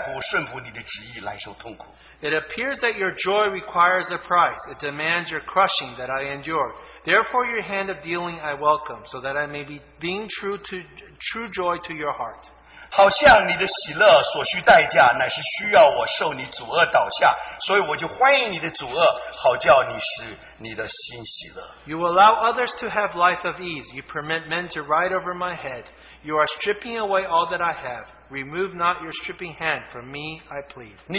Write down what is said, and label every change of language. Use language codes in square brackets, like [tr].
[zh] 如果你的旨意和你喜乐乃是在于我付痛苦之额，就愿我的喜乐乃是在乎顺服你的旨意来受痛苦。 [en] It appears that your joy requires a price. It demands your crushing that I endure. Therefore, your hand of dealing I welcome, so that I may be being true joy to your heart. [zh] 好像你的喜乐所需代价，乃是需要我受你阻遏倒下，所以我就欢迎你的阻遏，好叫你使你的心喜乐。 [en] You allow others to have life of ease. You permit men to ride over my head. You are stripping away all that I have. Remove not your stripping hand from me, I plead.